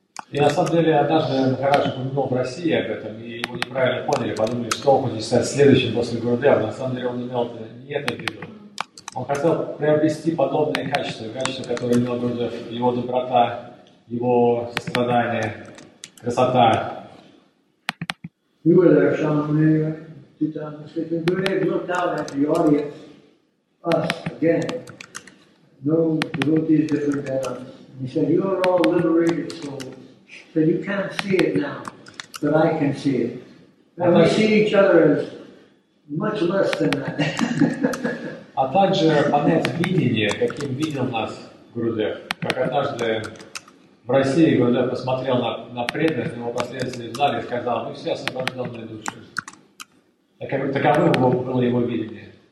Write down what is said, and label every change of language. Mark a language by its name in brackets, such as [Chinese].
[Russian] И на самом деле однажды Махарадж упомянул в России об этом, и его неправильно поняли, подумали, что он хочет стать следующим после Гурудева. На самом деле он имел это, не это в виду. Он хотел приобрести подобные качества, качества, которые имел Гурудев, его доброта, его сострадание, красота. [English] You were there, Shaman, Titan. Gurudev looked out at the audience, us again. No devotee is different than us. And he said, you are all liberated souls. So you can't see it now, but I can see it. And we see each other as much less than that. [Russian] А также понять видение, каким видел нас Гурудев. Как однажды в России Гурудев посмотрел на преданных, на его последователей в зале и сказал, мы все освобожденные души. Таковым было его видение.